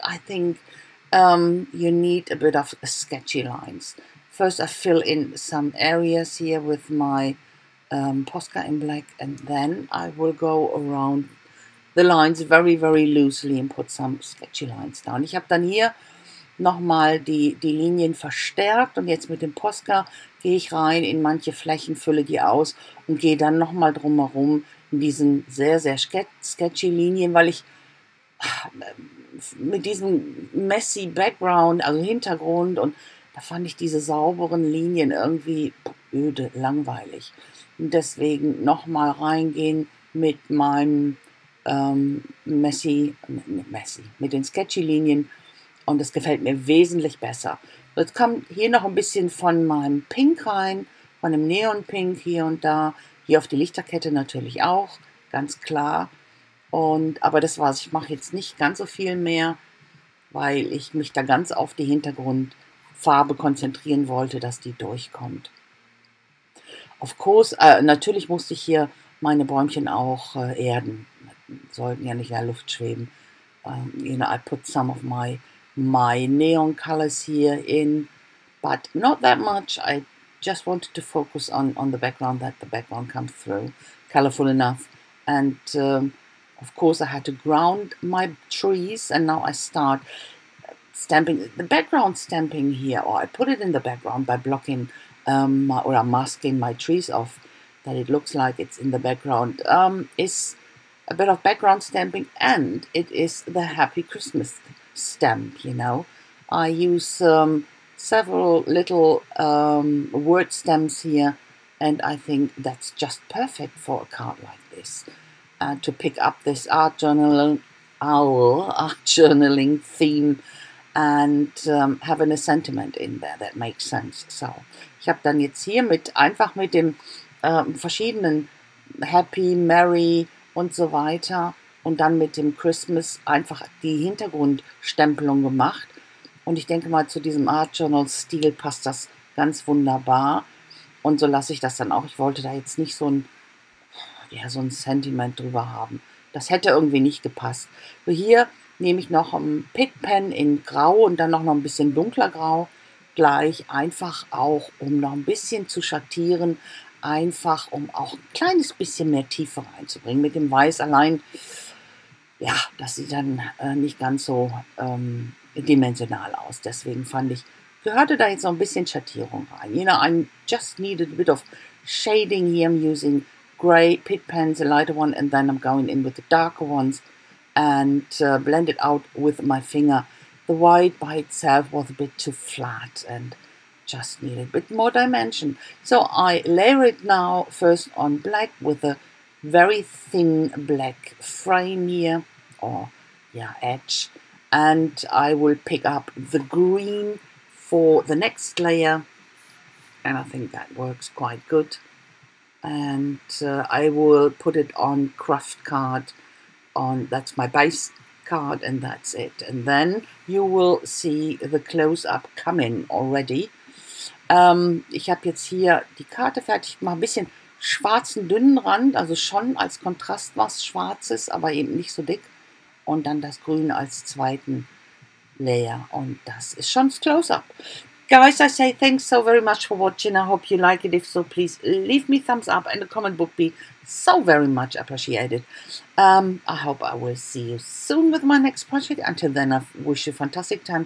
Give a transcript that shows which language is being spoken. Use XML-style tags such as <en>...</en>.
<en>I think you need a bit of sketchy lines. First I fill in some areas here with my Posca in black, and then I will go around the lines very, very loosely and put some sketchy lines down.</en> <de>Ich habe dann hier nochmal die Linien verstärkt, und jetzt mit dem Posca gehe ich rein in manche Flächen, fülle die aus und gehe dann nochmal drumherum in diesen sehr, sehr sketchy Linien, weil ich mit diesem messy Background, also Hintergrund, und da fand ich diese sauberen Linien irgendwie öde, langweilig. Und deswegen nochmal reingehen mit meinem messy, mit den sketchy Linien, und das gefällt mir wesentlich besser. Jetzt kommt hier noch ein bisschen von meinem Pink rein, von dem Neon Pink hier und da, hier auf die Lichterkette natürlich auch, ganz klar. Und aber das war's, ich mache jetzt nicht ganz so viel mehr, weil ich mich da ganz auf die Hintergrundfarbe konzentrieren wollte, dass die durchkommt.</de> <en>Of course,</en> <de>natürlich musste ich hier meine Bäumchen auch erden. Sollten ja nicht in der Luft schweben.</de> <en>You know, I put some of my neon colors here in, but not that much. I just wanted to focus on the background, that the background comes through colorful enough. And of course, I had to ground my trees, and now I start stamping the background stamping here, or I put it in the background by blocking or masking my trees off, that it looks like it's in the background. Is a bit of background stamping, and it is the Happy Christmas stamp, you know. I use several little word stamps here, and I think that's just perfect for a card like this. To pick up this art journaling theme and have a sentiment in there that makes sense.</en> <de>So, ich habe dann jetzt hier mit dem verschiedenen Happy, Merry und so weiter, und dann mit dem Christmas einfach die Hintergrundstempelung gemacht. Und ich denke mal, zu diesem Art Journal Stil passt das ganz wunderbar. Und so lasse ich das dann auch. Ich wollte da jetzt nicht so ein Sentiment drüber haben. Das hätte irgendwie nicht gepasst. So, hier nehme ich noch ein Pick Pen in Grau und dann noch ein bisschen dunkler Grau gleich, einfach auch, um noch ein bisschen zu schattieren. Einfach, um auch ein kleines bisschen mehr Tiefe reinzubringen. Mit dem Weiß allein, ja, das sieht dann nicht ganz so dimensional aus. Deswegen fand ich, gehörte da jetzt noch ein bisschen Schattierung rein.</de> <en>You know, I just needed a bit of shading here. I'm using gray pit pens, a lighter one, and then I'm going in with the darker ones and blend it out with my finger. The white by itself was a bit too flat and just need a bit more dimension. So I layer it now first on black with a very thin black frame here, edge. And I will pick up the green for the next layer. And I think that works quite good. And I will put it on craft card. That's my base card, and that's it. And then you will see the close-up coming already.</en> <de>Ich habe jetzt hier die Karte fertig, mache ein bisschen schwarzen dünnen Rand, also schon als Kontrast was Schwarzes, aber eben nicht so dick. Und dann das Grün als zweiten Layer, und das ist schon das Close-up.</de> <en>Guys, I say thanks so very much for watching. I hope you like it. If so, please leave me thumbs up, and a comment would be so very much appreciated. I hope I will see you soon with my next project. Until then, I wish you a fantastic time.</en>